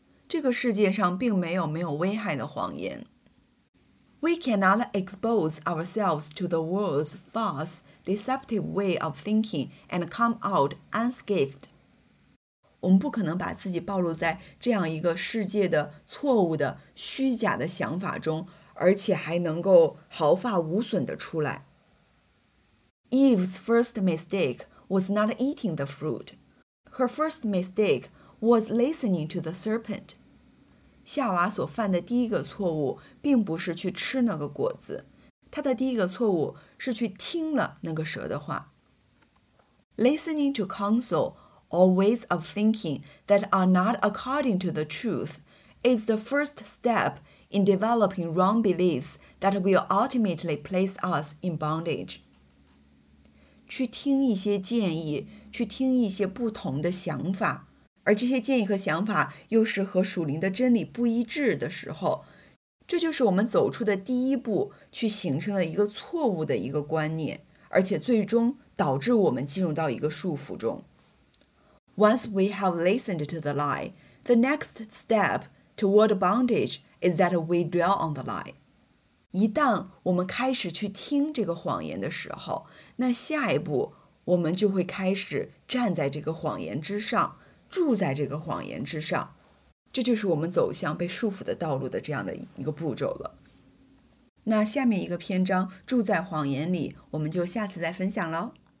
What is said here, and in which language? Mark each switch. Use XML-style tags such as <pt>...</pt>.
<zh>这个世界上并没有没有危害的谎言。</zh> <en>We cannot expose ourselves to the world's false, deceptive way of thinking and come out unscathed.</en> <zh>我们不可能把自己暴露在这样一个世界的错误的、虚假的想法中，而且还能够毫发无损地出来。</zh> <en>Eve's first mistake was not eating the fruit. Her first mistake was listening to the serpent.</en> <zh>夏娃所犯的第一个错误并不是去吃那个果子，她的第一个错误是去听了那个蛇的话。</zh> <en>Listening to counsel or ways of thinking that are not according to the truth is the first step in developing wrong beliefs that will ultimately place us in bondage.</en> <zh>去听一些建议，去听一些不同的想法，而这些建议和想法又是和属灵的真理不一致的时候，这就是我们走出的第一步，去形成了一个错误的一个观念，而且最终导致我们进入到一个束缚中。</zh> <en>Once we have listened to the lie, the next step toward bondage is that we dwell on the lie.</en> <zh>一旦我们开始去听这个谎言的时候，那下一步我们就会开始站在这个谎言之上，住在这个谎言之上，这就是我们走向被束缚的道路的这样的一个步骤了。那下面一个篇章，住在谎言里，我们就下次再分享了。</zh>